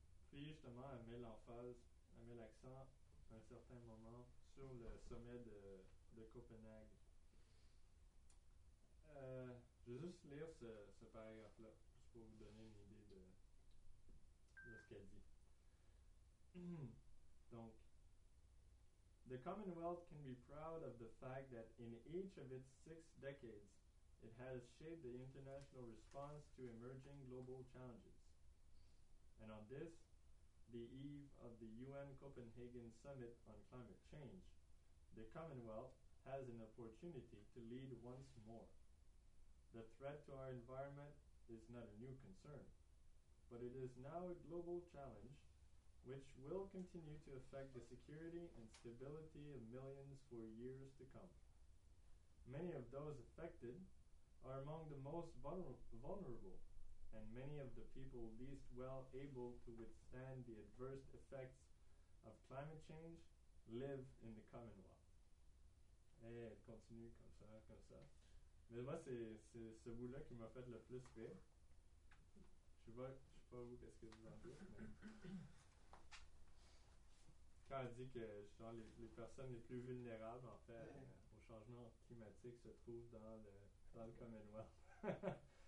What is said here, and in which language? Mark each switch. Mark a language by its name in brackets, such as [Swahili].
[French] Puis justement, elle met l'emphase, elle met l'accent à un certain moment sur le sommet de Copenhague. Je vais juste lire ce paragraphe-là, juste pour vous donner une idée de ce qu'elle dit. [English] Donc, the Commonwealth can be proud of the fact that in each of its six decades, it has shaped the international response to emerging global challenges. And on this, the eve of the UN Copenhagen Summit on Climate Change, the Commonwealth has an opportunity to lead once more. The threat to our environment is not a new concern, but it is now a global challenge which will continue to affect the security and stability of millions for years to come. Many of those affected are among the most vulnerable, and many of the people least well able to withstand the adverse effects of climate change live in the Commonwealth. [French] Et elle continue comme ça. Mais moi, c'est ce bout-là qui m'a fait le plus rire. Je sais pas vous, qu'est-ce que vous en dites, mais... Quand elle dit que genre, les personnes les plus vulnérables en fait au changement climatique se trouvent dans le Commonwealth.